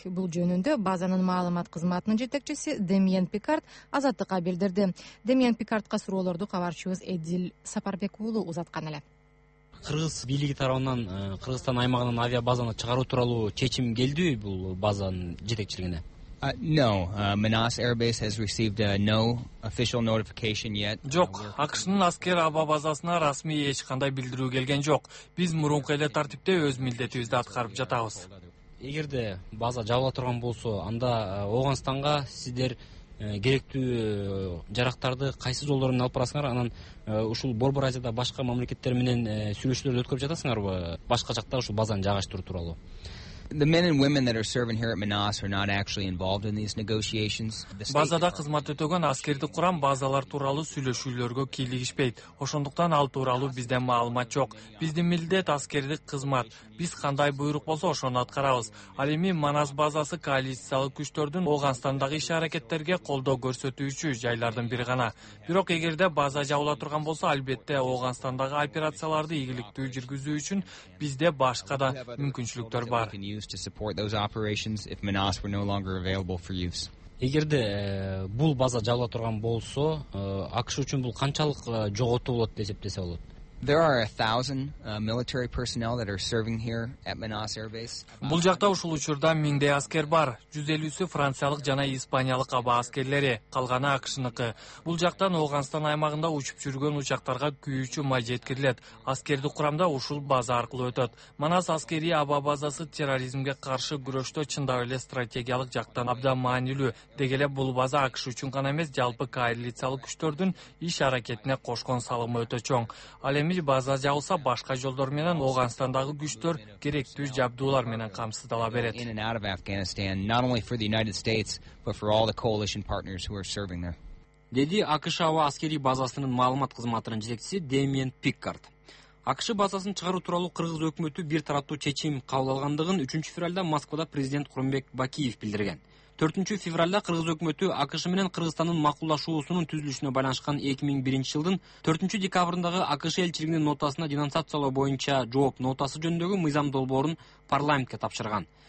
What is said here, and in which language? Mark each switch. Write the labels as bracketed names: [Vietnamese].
[Kyrgyz] Бул жөнүндө базанын маалымат кызматынын жетекчиси Демиен Пикард азаттыкка билдирди. Демиен Пикардка суроолорду кабарчыбыз Эдил Сапарбек уулу узаткан эле. Кыргыз бийлиги тарабынан Кыргызстан аймагынан авиабазаны чыгаруу тууралуу чечим келдиби бул базанын жетекчилигине? [English] No, Manas Air Base has received no official notification yet. [Kyrgyz] Жок, АКШнын аскер аба базасына расмий эч кандай билдирүү келген жок. Биз мурунку эле тартипте өз милдетибизди аткарып жатабыз. Эгерде база жабыла турган болсо, анда Ооганстанга сиздер керектүү жарактарды кайсы жолдор менен алып барасыңар, анан ушул Борбор Азияда башка мамлекеттер менен сүйлөшүүлөрдү өткөрүп жатасыңарбы башка жакта ушул базаны жайгаштыруу тууралуу? [English] The men and women that are serving here at Manas are not actually involved in these negotiations. [Kyrgyz] Базада кызмат өтөгөн аскердик курам базалар тууралуу сүйлөшүүлөргө кийлигишпейт. Ошондуктан ал тууралуу бизден маалымат жок. Биздин милдет аскердик кызмат. Биз кандай буйрук болсо ошону аткарабыз. Ал эми Манас базасы коалициялык күчтөрдүн Ооганстандагы иш-аракеттерге колдоо көрсөтүүчү жайлардын бири гана. Бирок эгерде база жабыла турган болсо, албетте Оогонстандагы операцияларды ийгиликтүү жүргүзүү үчүн бизде башка да мүмкүнчүлүктөр бар. [English] Used to support those operations if Manas were no longer available for use. [Kyrgyz] Эгерде бул база жабыла турган болсо, АКШ үчүн бул канчалык жоготуу болот деп эсептесе болот? [English] There are 1,000 military personnel that are serving here at Manas Air Base. [Kyrgyz] Бул жакта ушул учурда 1000 аскер бар. 150'si франциялык жана испаниялык аба аскерлери, калганы АКШныкы. Бул жактан Ооганстан аймагында учуп жүргөн учактарга күйүүчү май жеткирилет. Аскердик курамда ушул база аркылуу өтөт. Манас аскерий аба базасы терроризмге каршы күрөштө чындап эле стратегиялык жактан абдан маанилүү. Деги эле бул база АКШ үчүн гана эмес, жалпы коалициялык күчтөрдүн иш аракетине кошкон салымы өтө чоң. Ал эми база жабылса, башка жолдор менен Ооганстандагы күчтөр керектүү жабдуулар менен камсыздала берет. [English] In and out of Afghanistan, not only for the United States, but for all the coalition partners who are serving there. [Kyrgyz] Деди АКШ аскерий базасынын маалымат кызматынын жетекчиси Демиен Пиккард. АКШ базасын чыгаруу тууралуу кыргыз өкмөтү бир тараптуу чечим кабыл алгандыгын 3-февралда Москвада президент Курумбек Бакиев билдирген. 4-февралда кыргыз өкмөтү АКШ менен Кыргызстандын макулдашуусунун түзүлүшүнө байланышкан 2001-жылдын 4-декабрындагы АКШ элчилигинин нотасына денонсациялоо боюнча жооп нотасы жөнүндөгү мыйзам долбоорун парламентке тапшырган.